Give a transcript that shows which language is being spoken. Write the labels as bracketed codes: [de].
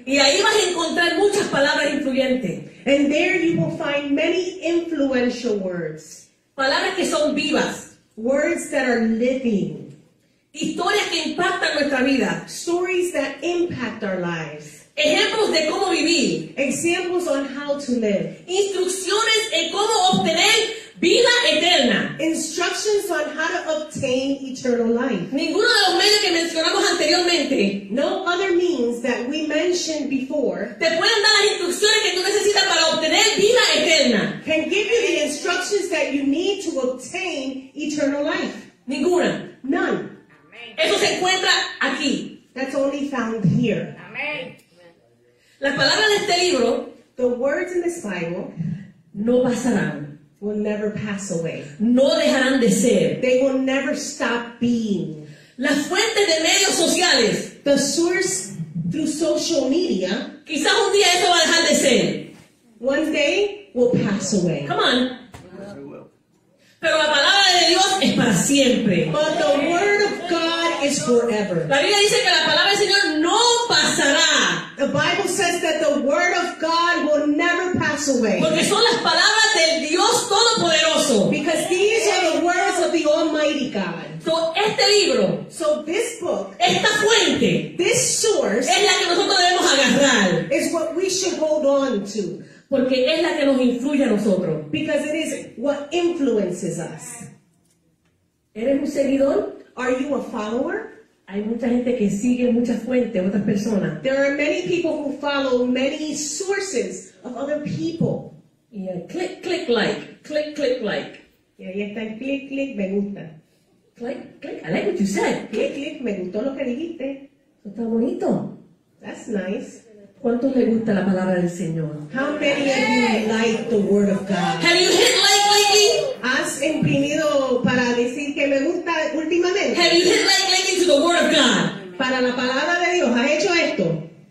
[es] Y ahí vas a encontrar muchas palabras influyentes. [en] And there you will find many influential words. [es] Palabras que son vivas. [en] Words that are living. [es] Historias que impactan nuestra vida. [en] Stories that impact our lives. [es] Ejemplos de cómo vivir. [en] Examples on how to live. [es] Instrucciones en cómo obtener vida eterna. [en] Instructions on how to obtain eternal life. [es] Ninguno de los medios que mencionamos anteriormente. [en] No other means that we mentioned before. [es] Te pueden dar las instrucciones que tú necesitas para obtener vida eterna. [en] Can give you the instructions that you need to obtain eternal life. [es] Ninguna. [en] None. Amen. [es] Eso se encuentra aquí. [en] That's only found here. Amen. [es] Las palabras de este libro, [en] the words in this Bible, [es] no pasarán, [en] will never pass away. [es] No dejarán de ser. [en] They will never stop being. [es] Las fuentes de medios sociales, [en] the source through social media, [es] quizás un día eso va a dejar de ser. [en] One day will pass away. Come on. [es] Pero la palabra de Dios es para siempre. [en] But the word of God is forever. [es] La Biblia dice que la palabra del Señor no pasará. [en] The Bible says that the word of God will never pass away. [es] Porque son las palabras del Dios Todopoderoso. [en] Because these are the words of the Almighty God. [es] So, este libro, [en] so this book, [es] esta fuente, [en] this source, [es] es la que nosotros debemos agarrar. [en] Is what we should hold on to. [es] Porque es la que nos influye a nosotros. [en] Because it is what influences us. [es] ¿Eres un seguidor? [en] Are you a follower? [es] Hay mucha gente que sigue muchas fuentes, otras personas. [en] There are many people who follow many sources of other people. Yeah, click, click, like. Click, click, like. [es] Yeah, ahí está el click, click, me gusta. [en] Click, click, I like what you said. [es] Click, click, me gustó lo que dijiste. Eso está bonito. [en] That's nice. [es] ¿Cuántos le gusta la palabra del Señor? [en] How many of you like the word of God? Have you hit like lately? [es] ¿Has imprimido para decir que me gusta últimamente? [en] Have you hit like lately to the word of God? [es] Para la palabra de Dios, ¿has hecho esto?